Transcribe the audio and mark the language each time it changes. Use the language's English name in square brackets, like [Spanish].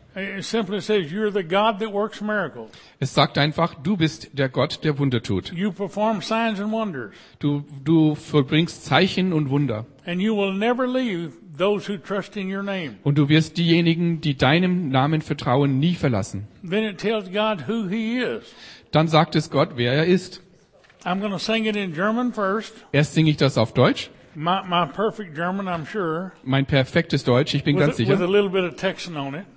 [English] It simply says you're the God that works miracles. [German] Es sagt einfach, du bist der Gott, der Wunder tut. [English] You perform signs and wonders. [German] Du vollbringst Zeichen und Wunder. [English] And you will never leave those who trust in your name. [German] Und du wirst diejenigen, die deinem Namen vertrauen, nie verlassen. [English] Then it tells God who he is. [German] Dann sagt es Gott, wer er ist. [English] I'm going to sing it in German first. [German] Erst singe ich das auf Deutsch. [English] My perfect German, I'm sure. [German] Mein perfektes Deutsch, ich bin ganz sicher. [English] With a little bit of Texan on it.